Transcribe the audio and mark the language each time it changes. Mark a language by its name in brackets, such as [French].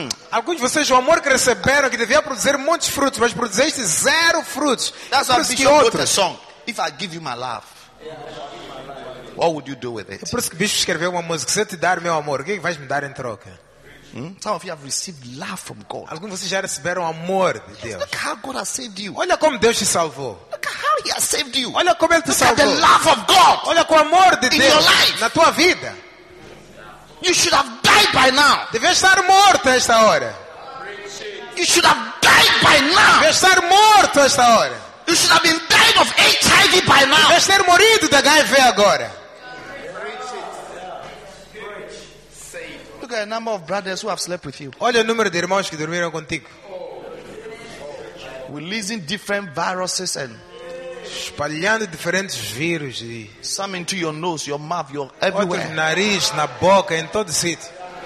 [Portuguese] Alguns de vocês, o amor que receberam, que devia produzir muitos frutos, mas produziste zero frutos. [English] That's why Bishop wrote a song. If I give you my love, what would you do with it? [Portuguese] Por isso que Bishop escreveu uma música. Se eu te dar meu amor, o que vais me dar em troca? [English] Some of you have received love from God. [Portuguese] Alguns de vocês já receberam amor de Deus. [English] Look how God has saved you. [Portuguese] Olha como Deus te salvou. [English] Look how He has saved you. [Portuguese] Olha como Ele te salvou. [English] The love of God. [Portuguese] Olha com o amor de Deus [English] in your life. [Portuguese] Na tua vida. [English] You should have died by now. [Portuguese] Devia estar morto a esta hora. [English] You should have died by now. [Portuguese] Devia estar morto a esta hora. [English] You should have been dying of HIV by now. [Portuguese] Devia ter morrido de HIV agora. [English] Look at the number of brothers who have slept with you. [Portuguese] Olha o número de irmãos que dormiram contigo. [English] Releasing different viruses and [Portuguese] espalhando diferentes vírus e [English] some into your nose, your mouth, your everywhere. [Portuguese] Outros no nariz, na boca, em todo sítio.